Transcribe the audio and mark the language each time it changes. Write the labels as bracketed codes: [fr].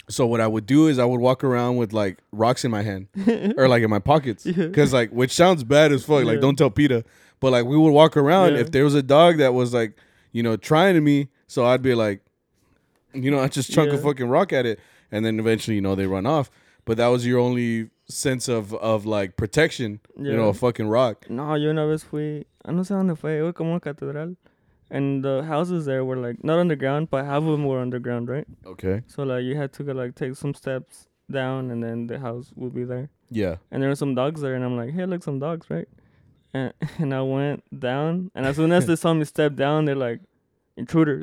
[en] So what I would do is I would walk around with like rocks in my hand or like in my pockets, because like, which sounds bad as fuck. Like, don't tell PETA. But like, we would walk around if there was a dog that was like, you know, trying to me. So I'd be like, you know, I just chunk a fucking rock at it, and then eventually, you know, they run off. But that was your only sense of like protection, you know, a fucking rock. [es] No, yo una vez fui, no sé dónde fue, fue como una catedral. [en] And the houses there were like not underground, but half of them were underground, right? Okay. So like you had to go like take some steps down and then the house would be there. Yeah. And there were some dogs there, and I'm like, hey, look, some dogs, right? And I went down, and as soon as they saw me step down, they're like, intruder.